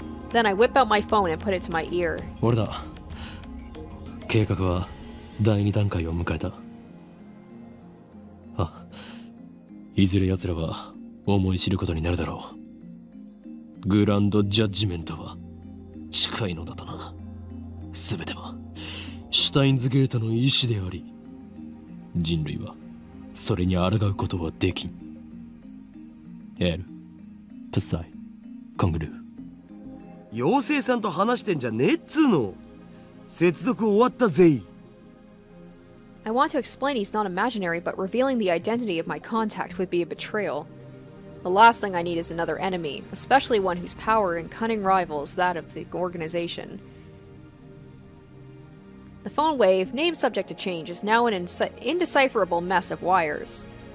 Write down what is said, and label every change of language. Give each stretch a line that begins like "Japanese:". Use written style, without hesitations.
English: Then I whip out my phone and put it to my ear.
Japanese: 俺だ。計画は第二段階を迎えた。あ、いずれ奴らは思い知ることになるだろう。グランドジャッジメントは近いのだとな。すべてはシュタインズゲートの意志であり、人類はそれに抗うことはできん。エル、プサイ、コングルー。妖精さんと話してんじゃねえっつーの。接続終わったぜ。
English: I want to explain he's not imaginary, but revealing the identity of my contact would be a betrayal. The last thing I need is another enemy, especially one whose power and cunning rivals that of the organization. The phone wave, name subject to change, is now an indecipherable mess of wires.